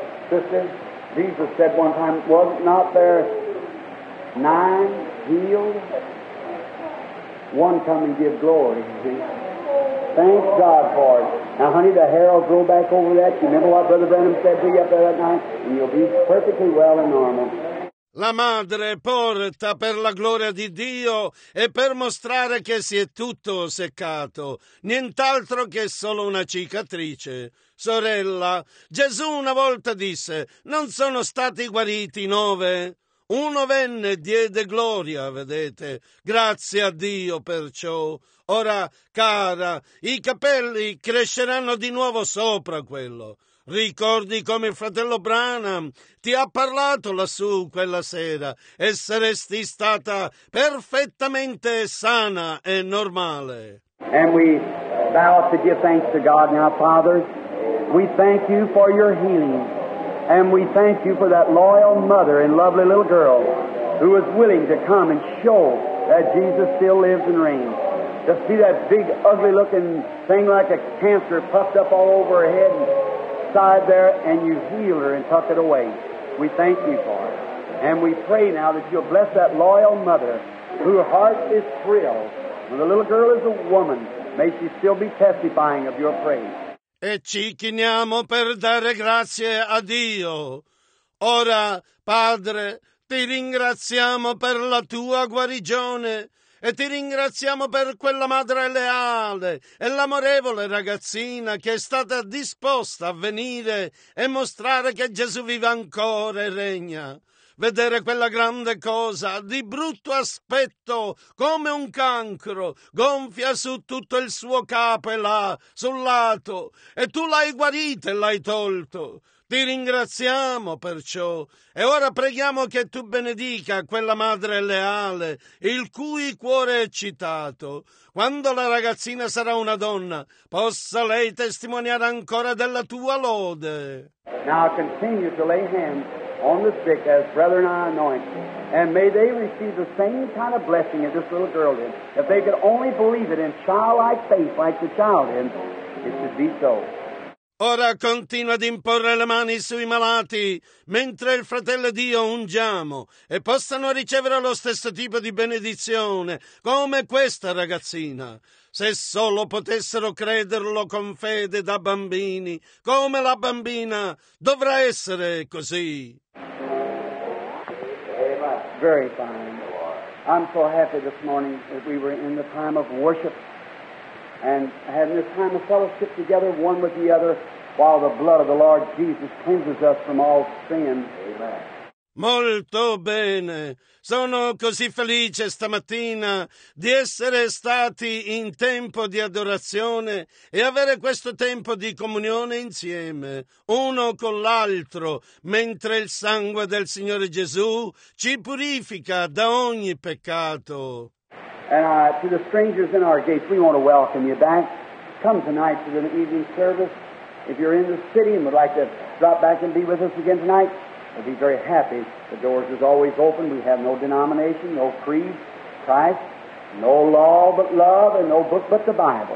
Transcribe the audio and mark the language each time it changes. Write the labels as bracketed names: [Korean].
[English] Sister, Jesus said one time, was not there 9 healed? One come and give glory, you see. Thank God for it. Now, honey, the hair will grow back over that. You remember what Brother Branham said to you up there that night? And you'll be perfectly well and normal. [Italian] La madre porta per la gloria di Dio e per mostrare che si è tutto seccato, nient'altro che solo una cicatrice. Sorella, Gesù una volta disse, non sono stati guariti 9? Uno venne e diede gloria, vedete, grazie a Dio per ciò. Ora, cara, i capelli cresceranno di nuovo sopra quello. Ricordi come il fratello Branham ti ha parlato lassù quella sera e saresti stata perfettamente sana e normale. [English] And we bow to give thanks to God now, Father. We thank you for your healing. And we thank you for that loyal mother and lovely little girl who was willing to come and show that Jesus still lives and reigns. To see that big ugly looking thing like a cancer puffed up all over her head and side there, and you heal her and tuck it away. We thank you for it. And we pray now that you'll bless that loyal mother whose heart is thrilled. When the little girl is a woman, may she still be testifying of your praise. [Italian] E ci chiniamo per dare grazie a Dio. Ora, Padre, ti ringraziamo per la tua guarigione. E ti ringraziamo per quella madre leale e l'amorevole ragazzina che è stata disposta a venire e mostrare che Gesù vive ancora e regna. Vedere quella grande cosa di brutto aspetto come un cancro gonfia su tutto il suo capo e là, sul lato, e tu l'hai guarita e l'hai tolto. Ti ringraziamo perciò e ora preghiamo che tu benedica quella madre leale il cui cuore è eccitato. Quando la ragazzina sarà una donna, possa lei testimoniare ancora della tua lode. [English] Now continue to lay hands on the sick as brother and I anoint them. And may they receive the same kind of blessing as this little girl did. If they could only believe it in childlike faith like the child did, it should be so. [Italian] Ora continua ad imporre le mani sui malati, mentre il fratello Dio ungiamo, e possano ricevere lo stesso tipo di benedizione, come questa ragazzina. Se solo potessero crederlo con fede da bambini, come la bambina, dovrà essere così. [English] Very fine. I'm so happy this morning that we were in the time of worship. And having this time of fellowship together, one with the other, while the blood of the Lord Jesus cleanses us from all sin. Amen. [Italian] Molto bene. Sono così felice stamattina di essere stati in tempo di adorazione e avere questo tempo di comunione insieme, uno con l'altro, mentre il sangue del Signore Gesù ci purifica da ogni peccato. [English] And to the strangers in our gates, we want to welcome you back. Come tonight to the evening service. If you're in the city and would like to drop back and be with us again tonight, we'd be very happy. The doors is always open. We have no denomination, no creed, Christ, no law but love, and no book but the Bible.